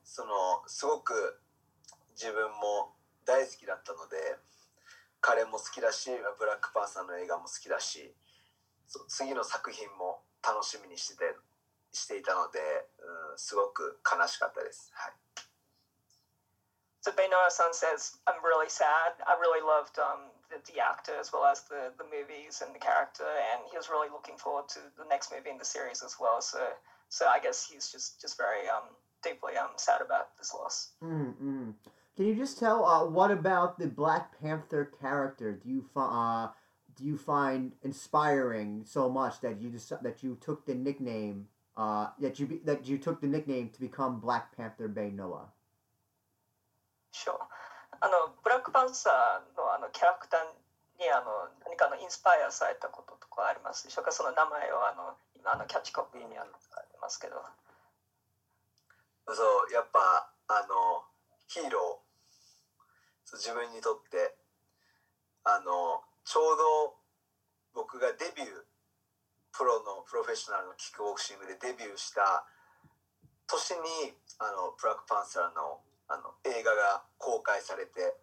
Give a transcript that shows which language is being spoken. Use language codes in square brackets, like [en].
[ja] そのすごく自分も大好きだったので、彼も好きだし、ブラックパンサーの映画も好きだし、次の作品も楽しみにしていたので、すごく悲しかったです。はい。 [en] So Beinoas-san says, I'm really sad. I really loved the actor as well as the movies and the character, and he was really looking forward to the next movie in the series as well, so I guess he's just very deeply sad about this loss. Mm-hmm. Can you just tell what about the Black Panther character do you find inspiring so much that you took the nickname to become Black Panther Beinoa? Sure. [ja] ブラックパンサーのキャラクターに何かインスパイアされたこととかありますでしょうか？その名前を今キャッチコピーにありますけど。そう、やっぱヒーロー、そう、自分にとってちょうど僕がデビュー、プロフェッショナルのキックボクシングでデビューした年にブラックパンサーの映画が公開されて、